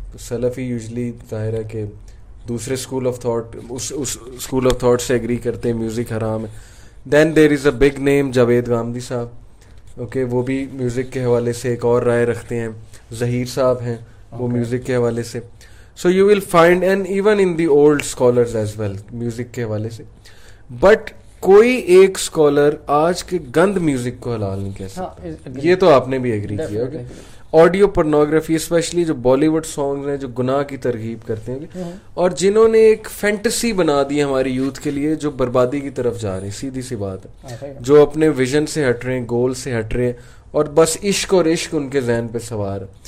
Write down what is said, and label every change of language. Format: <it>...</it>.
<ur>سلفی usually ظاہر ہے کہ دوسرے school of thought, اس school of thought سے ایگری کرتے ہیں میوزک حرام ہے.</ur> <en>then there is a big name</en> <ur>جاوید گامدی صاحب, اوکے, وہ بھی میوزک کے حوالے سے ایک اور رائے رکھتے ہیں. ظہیر صاحب ہیں, وہ میوزک کے حوالے سے.</ur> <en>So you will find, and even in the old scholars as well,</en> <ur>music کے حوالے سے, but کوئی ایک scholar آج کے گند music کو حلال نہیں کہہ سکتا. یہ تو آپ نے بھی agree کیا. آڈیو پورنوگرافی اسپیشلی جو بالی ووڈ سانگ ہیں جو گناہ کی ترغیب کرتے ہیں, اور جنہوں نے ایک فینٹسی بنا دی ہماری یوتھ کے لیے جو بربادی کی طرف جا رہے ہیں, سیدھی سی بات ہے, جو اپنے ویژن سے ہٹ رہے ہیں, گول سے ہٹ رہے ہیں, اور بس عشق اور عشق ان کے ذہن پہ سوار.</ur>